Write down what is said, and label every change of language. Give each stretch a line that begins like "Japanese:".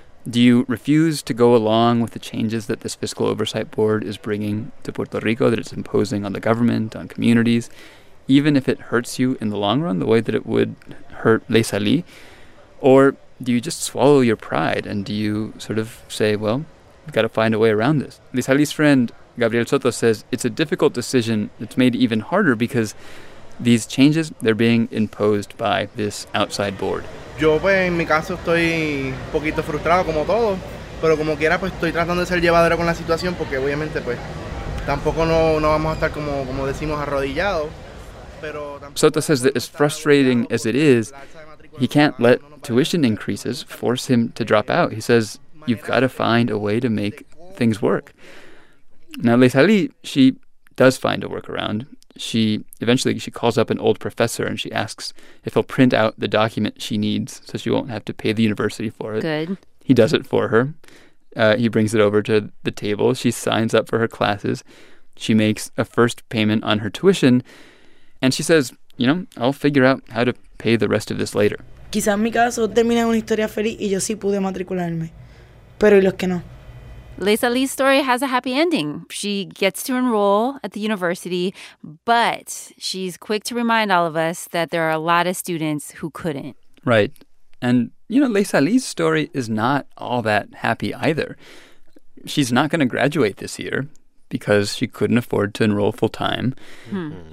English: Do you refuse to go along with the changes that this fiscal oversight board is bringing to Puerto Rico, that it's imposing on the government, on communities, even if it hurts you in the long run, the way that it would hurt Lezali? Or do you just swallow your pride and do you sort of say, well, we've got to find a way around this? Lezali's friend, Gabriel Soto, says it's a difficult decision. It's made even harder because these changes, they're being imposed by this outside board.
Spanish: Yo, pues, en mi caso, estoy un poquito frustrado, como todo. Pero como quiera, pues, estoy tratando de ser llevadero con la situación, porque obviamente, pues, tampoco no vamos a estar como decimos, arrodillados. Pero
English: Soto says that as frustrating as it is, he can't let tuition increases force him to drop out. He says, you've got to find a way to make things work. Now, Lezali, she does find a workaround. She calls up an old professor and she asks if he'll print out the document she needs so she won't have to pay the university for it. Good. He does it for her. He brings it over to the table. She signs up for her classes. She makes a first payment on her tuition. And she says, you know, I'll figure out how to pay the rest of this later.
Spanish: Quizás mi caso termina una historia feliz y yo sí pude matricularme. Pero ¿y los que no?
English: Lezali's story has a happy ending. She gets to enroll at the university, but she's quick to remind all of us that there are a lot of students who couldn't. Right. And, you know, Lezali's story is not all that happy either. She's not going to graduate this year because she couldn't afford to enroll full time. Mm-hmm.